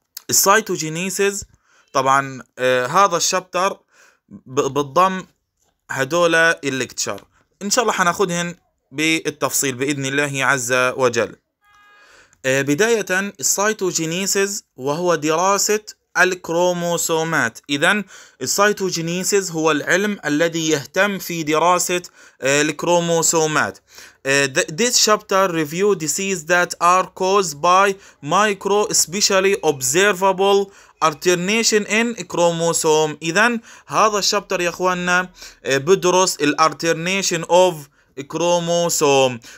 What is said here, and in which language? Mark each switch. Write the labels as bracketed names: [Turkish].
[Arabic] السايتوجينيسيز طبعا هذا الشابتر بالضم هدول الليكتشر، ان شاء الله حناخدهن بالتفصيل باذن الله عز وجل. بداية السايتوجينيسيز وهو دراسة الكروموسومات. اذا السايتوجينيسيز هو العلم الذي يهتم في دراسة الكروموسومات. [English] This chapter review diseases that are caused by micro specially observable alternation in chromosome. [Arabic] إذن هذا الشابتر يا أخواننا بدرس [English] alternation of chromosome.